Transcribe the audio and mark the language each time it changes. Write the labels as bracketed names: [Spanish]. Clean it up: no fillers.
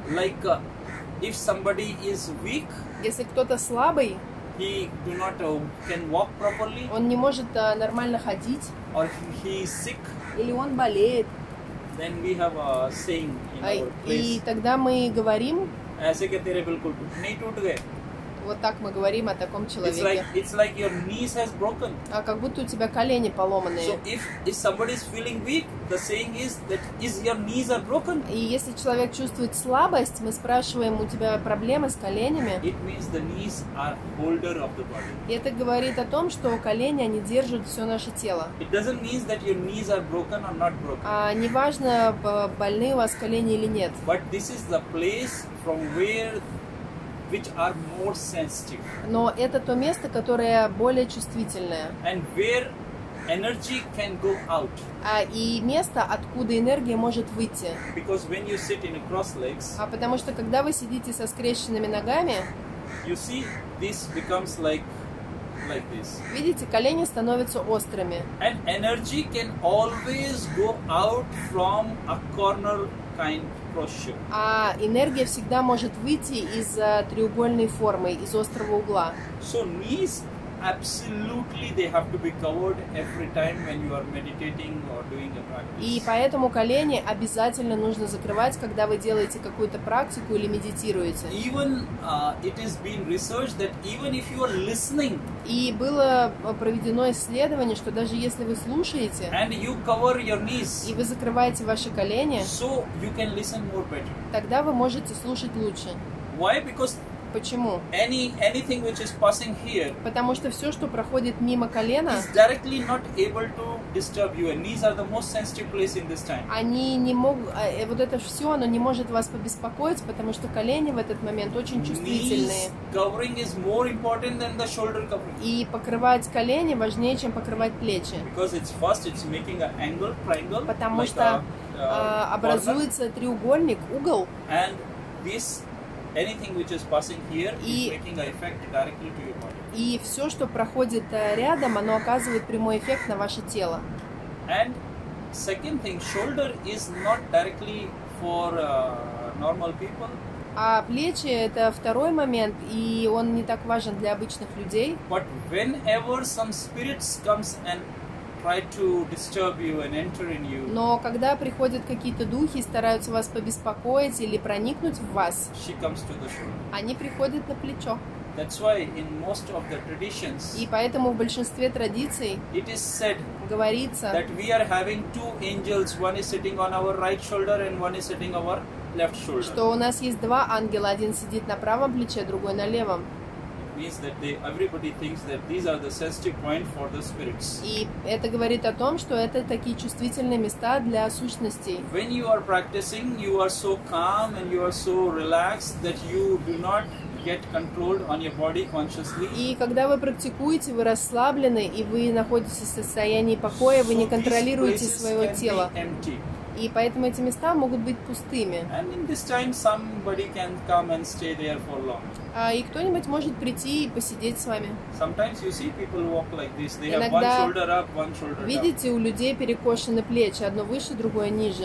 [English] Like if somebody is weak. [Russian] Если кто-то слабый. [English] He do not can walk properly. [Russian] Он не может нормально ходить. [English] Or he is sick. [Russian] Или он болеет. [English] Then we have a saying in our place. [Russian] И тогда мы говорим. [Hindi] Aise ke tere bilkul nahi toot gaye. [Russian] Вот так мы говорим о таком человеке. [English] It's like your knees has broken. [Russian] А как будто у тебя колени поломанные. [English] So if somebody is feeling weak, the saying is that is your knees are broken. [Russian] И если человек чувствует слабость, мы спрашиваем, у тебя проблемы с коленями. [English] It means the knees are holder of the body. [Russian] И это говорит о том, что колени, они держат все наше тело. [English] It doesn't mean that your knees are broken or not broken. [Russian] А неважно, больны у вас колени или нет. [English] But this is the place from where which are more sensitive. [Russian] Но это то место, которое более чувствительное. [English] And where energy can go out. [Russian] И место, откуда энергия может выйти. [English] Because when you sit in a cross legs. [Russian] А потому что когда вы сидите со скрещенными ногами. [English] You see, this becomes like this. [Russian] Видите, колени становятся острыми. [English] And energy can always go out from a corner kind. [Russian] А энергия всегда может выйти из треугольной формы, из острого угла. [English] So knees absolutely they have to be covered every time when you are meditating or doing a practice. [Russian] И поэтому колени обязательно нужно закрывать, когда вы делаете какую-то практику или медитируете. [English] Even it has been researched that even if you are listening. [Russian] И было проведено исследование, что даже если вы слушаете. [English] And you cover your knees. [Russian] И вы закрываете ваши колени. [English] So you can listen more better. [Russian] Тогда вы можете слушать лучше. [English] Why? Because [Russian] почему? [English] Anything which is passing here. [Russian] Потому что все, что проходит мимо колена, [English] is directly not able to disturb you. And knees are the most sensitive place in this time. [Russian] Они не могут, вот это все, оно не может вас побеспокоить, потому что колени в этот момент очень чувствительные. [English] Knees covering is more important than the shoulder covering. [Russian] И покрывать колени важнее, чем покрывать плечи. [English] Because it's first, it's making an angle, triangle. [Russian] Потому [English] like [Russian] что образуется [English] corner. [Russian] Треугольник, угол. [English] And this. Anything which is passing here is making an effect directly to your body. [Russian] И все, что проходит рядом, оно оказывает прямой эффект на ваше тело. [English] And second thing, shoulder is not directly for normal people. [Russian] А плечи – это второй момент, и он не так важен для обычных людей. [English] But whenever some spirits comes and try to disturb you and enter in you. [Russian] Но когда приходят какие-то духи, стараются вас побеспокоить или проникнуть в вас. [English] She comes to the shoulder. [Russian] Они приходят на плечо. [English] That's why in most of the traditions. [Russian] И поэтому в большинстве традиций. [English] It is said. [Russian] Говорится. [English] That we are having two angels. One is sitting on our right shoulder and one is sitting on our left shoulder. [Russian] Что у нас есть два ангела, один сидит на правом плече, другой на левом. [English] Means that everybody thinks that these are the sensitive point for the spirits. [Russian] И это говорит о том, что это такие чувствительные места для сущностей. [English] When you are practicing, you are so calm and you are so relaxed that you do not get controlled on your body consciously. [Russian] И когда вы практикуете, вы расслаблены и вы находитесь в состоянии покоя, вы не контролируете свое тело. И поэтому эти места могут быть пустыми. [English] And in this time somebody can come and stay there for long. [Russian] И кто-нибудь может прийти и посидеть с вами. [English] Sometimes you see people walk like this. They [Russian] иногда [English] have one shoulder up, one shoulder [Russian] видите, [English] down. [Russian] У людей перекошены плечи, одно выше, другое ниже.